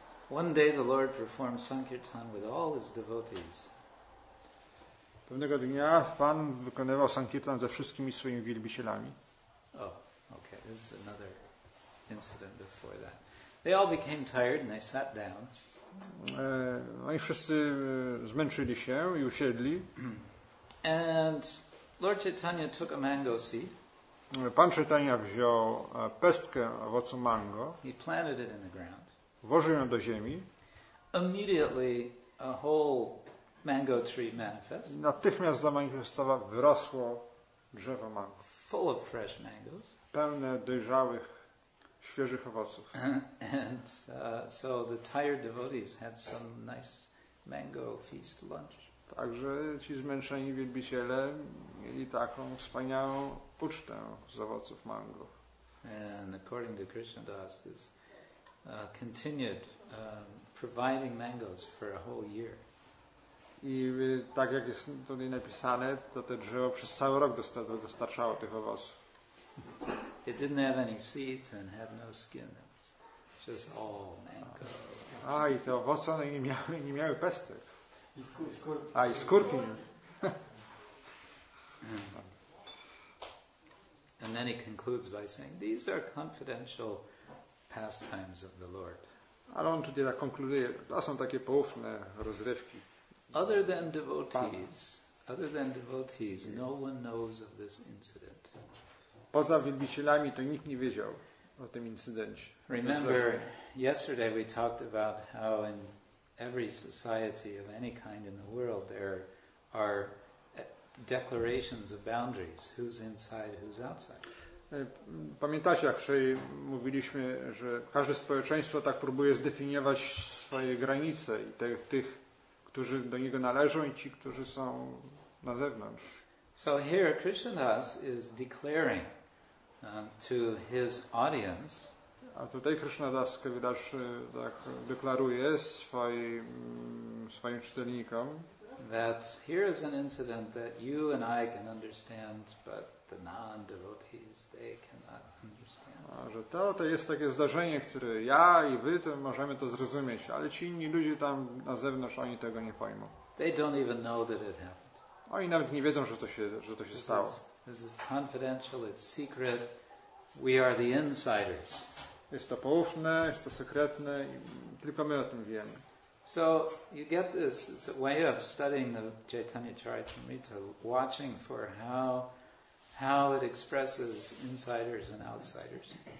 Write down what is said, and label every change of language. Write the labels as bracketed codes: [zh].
[en] One day the Lord performed Sankirtan with all his devotees. [pl] Pewnego dnia Pan wykonywał Sankirtan ze wszystkimi swoimi wielbicielami. [en] Oh, okay, this is another incident before that. They all became tired and they sat down. [pl] No i wszyscy zmęczyli się i usiedli. [en] And Lord Chaitanya took a mango seed. [pl] Pan Chaitanya wziął pestkę owocu mango, [en] he planted it in the ground. [pl] Włożył ją do ziemi. [en] Immediately a whole mango tree manifested. [pl] Natychmiast zamanifestowało, wyrosło drzewo mango. [en] Full of fresh mangoes. [pl] Pełne dojrzałych, świeżych owoców. [en] And so the tired devotees had some nice mango feast lunch. [pl] Także ci zmęczeni wielbiciele mieli taką wspaniałą ucztę z owoców mango. [en] And according to Krishna Das, this continued providing mangoes for a whole year. [pl] I tak jak jest tutaj napisane, to te drzewo przez cały rok dostarczało tych owoców. [en] It didn't have any seeds and had no skin. It was just all mango. [pl] A i te owoce one nie miały pestek. I skórki. [en] And then he concludes by saying, "These are confidential pastimes of the Lord." [pl] Ale on tutaj tak konkluduje, to są takie poufne rozrywki. [en] Other than devotees, no one knows of this incident. [pl] Poza wielbicielami to nikt nie wiedział o tym incydencie. [en] Remember, yesterday we talked about how in every society of any kind in the world there are declarations of boundaries, who's inside, who's outside. [pl] Pamiętacie, jak wczoraj mówiliśmy, że każde społeczeństwo tak próbuje zdefiniować swoje granice i tych, którzy do niego należą i ci, którzy są na zewnątrz. [en] So here Krishna Das is declaring to his audience. [pl] A tutaj Krishna Das Kaviraj tak deklaruje swoim czytelnikom, [en] that here is an incident that you and I can understand, but the non-devotees, they cannot understand. [pl] A że to jest takie zdarzenie, które ja i wy to możemy to zrozumieć, ale ci inni ludzie tam na zewnątrz, oni tego nie pojmą. [en] They don't even know that it happened. [pl] Oni nawet nie wiedzą, że to się stało. [en] This is confidential, it's secret. We are the insiders. [pl] Jest to poufne, jest to sekretne i tylko my o tym wiemy. [en] So you get this, it's a way of studying the Chaitanya Charitamrita, watching for how it expresses insiders and outsiders.